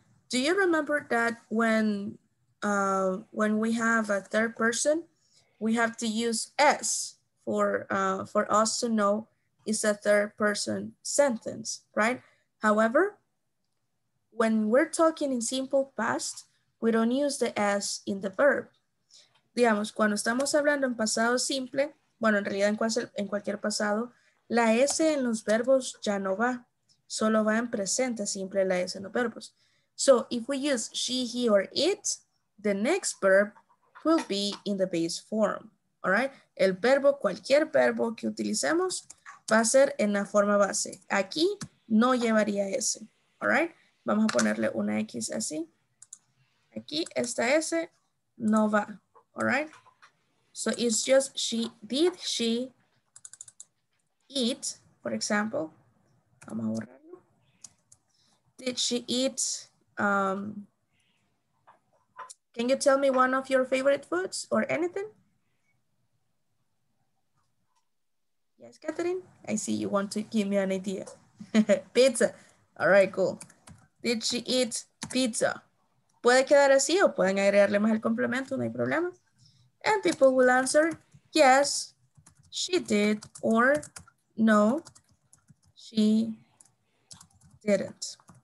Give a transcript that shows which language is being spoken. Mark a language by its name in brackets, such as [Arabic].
[English] Do you remember that when we have a third person, we have to use S for us to know it's a third person sentence, right? However, when we're talking in simple past, we don't use the S in the verb. [Spanish] Digamos, cuando estamos hablando en pasado simple, bueno, en realidad en cualquier pasado, la S en los verbos ya no va. Solo va en presente simple la S en los verbos. [English] So, if we use she, he, or it, the next verb will be in the base form. All right? [Spanish] El verbo, cualquier verbo que utilicemos, va a ser en la forma base. Aquí no llevaría S. [English] All right? [Spanish] Vamos a ponerle una X así. Aquí esta S no va. [English] All right? So, it's just she, did she eat, for example. [Spanish] Vamos a borrarlo. [English] Did she eat? Can you tell me one of your favorite foods or anything? Yes, Catherine? I see you want to give me an idea. Pizza. All right, cool. Did she eat pizza? [Spanish] ¿Puede quedar así o pueden agregarle más el complemento? No hay problema. [English] And people will answer, yes, she did, or no, she didn't.